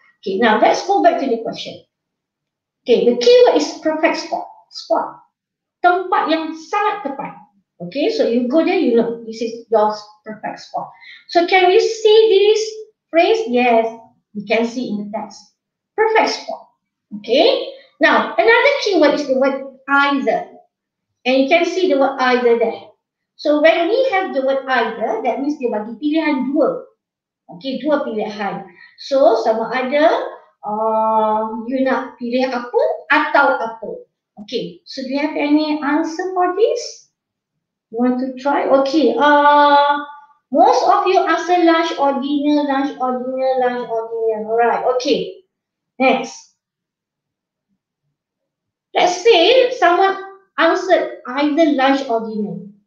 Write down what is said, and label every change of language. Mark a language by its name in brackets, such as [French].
[English] Okay, now let's go back to the question. Okay, the keyword is perfect spot. Spot. [Malay] Tempat yang sangat tepat. [English] Okay, so you go there, you look. This is your perfect spot. So can we see this phrase? Yes, you can see in the text. Perfect spot. Okay? Now, another keyword is the word either. And you can see the word either there. So when we have the word either, that means [Malay] dia bagi pilihan dua. Okay, dua pilihan. So sama ada you nak pilih apa atau apa. [English] Okay, so do you have any answer for this? You want to try? Okay, most of you answer lunch or dinner, lunch or dinner, lunch or dinner. Alright, okay. Next. Let's say someone answered either lunch or dinner.